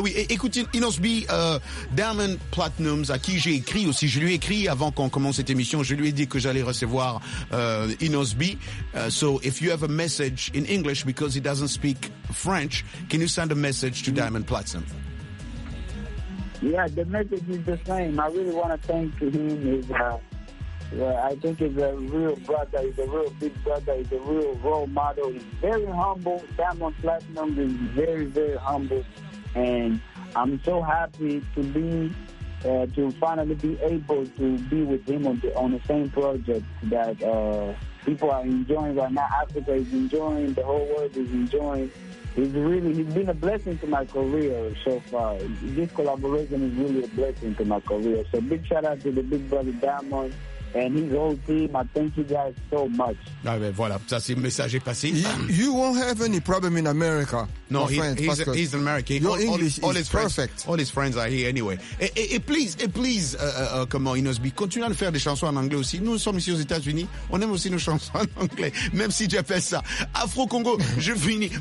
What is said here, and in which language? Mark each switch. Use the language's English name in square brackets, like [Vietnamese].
[French] écoutez, Inosbi, Diamond Platinums, à qui j'ai écrit aussi, je lui ai écrit avant qu'on commence cette émission, je lui ai dit que j'allais recevoir Inosbi. [English] So if you have a message in English because he doesn't speak French, can you send a message to Diamond Platinum? Yeah, the message is the same. I really want to thank him. Yeah, I think he's a real brother. He's a real big brother. He's a real role model. He's very humble. Diamond Platinum is very, very humble. And I'm so happy to be, to finally be able to be with him on the same project that people are enjoying right now. Africa is enjoying. The whole world is enjoying. He's been a blessing to my career so far. This collaboration is really a blessing to my career. So big shout out to the big brother Diamond. And his whole team, I thank you guys so much. Ah, voilà, ça c'est le message est passé. You won't have any problem in America. No, he's an American. Your English is perfect. All his friends are here anyway. [French] Et please, comment Inosby, continue à faire des chansons en anglais aussi. Nous sommes ici aux États-Unis, on aime aussi nos chansons en anglais, même si j'appelle ça Afro-Congo, je finis.